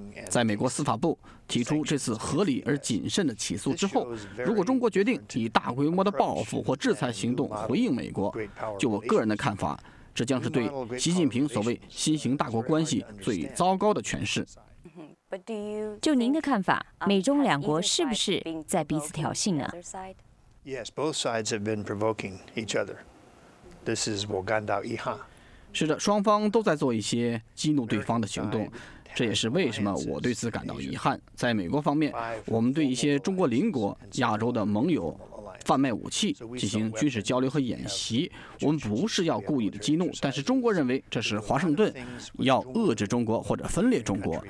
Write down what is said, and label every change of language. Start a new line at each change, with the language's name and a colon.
Chinese: 在美国司法部提出这次合理而谨慎的起诉之后，如果中国决定以大规模的报复或制裁行动回应美国，就我个人的看法，这将是对习近平所谓新型大国关系最糟糕的诠释。就您的看法，美中两国是不是在彼此挑衅呢？
English: Yes, both sides have been provoking each other. This is
Chinese: 我感到遗憾。是的，双方都在做一些激怒对方的行动，这也是为什么我对此感到遗憾。在美国方面，我们对一些中国邻国、亚洲的盟友贩卖武器，进行军事交流和演习。我们不是要故意的激怒，但是中国认为这是华盛顿要遏制中国或者分裂中国。